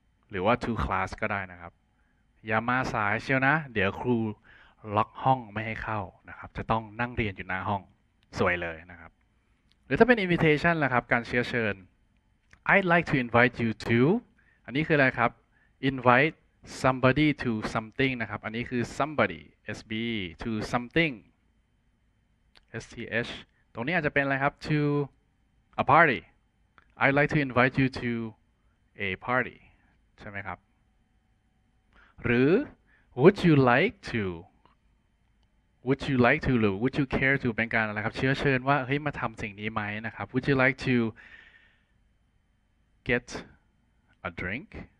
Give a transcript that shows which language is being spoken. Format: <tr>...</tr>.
<th>หรือว่า to class ก็ได้นะครับอย่ามาสายเชียวนะเดี๋ยวครูล็อกห้องไม่ให้เข้านะครับจะต้องนั่งเรียนอยู่หน้าห้องสวยเลยนะครับหรือถ้าเป็น invitation นะครับการเชื้อเชิญ</th> <en>I'd like to invite you to</en> <th>อันนี้คืออะไรครับ</th> <en>inviteSomebody to something</en> <th>นะครับอันนี้คือ somebody sb to something sth ตรงนี้อาจจะเป็นอะไรครับ to</th> <en>A party. I'd like to invite you to a party.</en> <th>ใช่ไหมครับหรือ</th> <en>would you like to would you like to หรือ would you care to</en> <th>เป็นการอะไรครับเชื้อเชิญว่าเฮ้ยมาทำสิ่งนี้ไหมนะครับ</th> <en>would you like to get a drink</en>